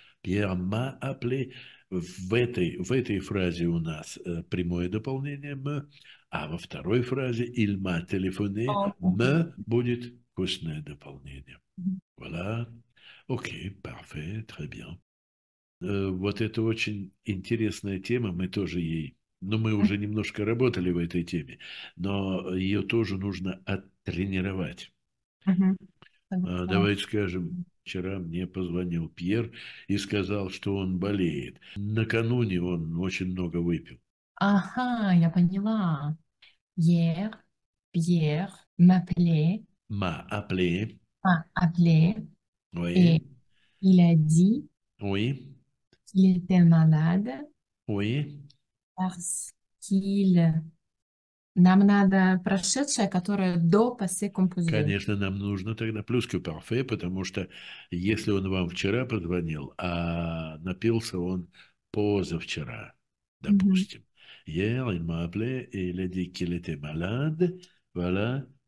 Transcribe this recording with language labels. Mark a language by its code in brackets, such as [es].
[fr] Pierre m'a appelé. [ru] В этой фразе у нас прямое дополнение me, а во второй фразе [fr] il m'a téléphoné, [ru] me будет устное дополнение. [fr] Voilà. Ok, parfait, très bien. [ru] Вот это очень интересная тема, мы тоже ей, но мы уже немножко работали в этой теме, но ее тоже нужно оттренировать. Давайте скажем, вчера мне позвонил Пьер и сказал, что он болеет. Накануне он очень много выпил. Я поняла. [fr] Пьер m'appelait, M'a appelé. m'a appelé et Oui. il a dit Oui. qu'il était malade Oui. parce qu'il... [ru] Нам надо прошедшее, которое до passé composé. Конечно, нам нужно тогда плюс к парфе, потому что если он вам вчера позвонил, а напился он позавчера, допустим. [fr] Hier, il m'a appelé et il a dit qu'il était malade. Voilà.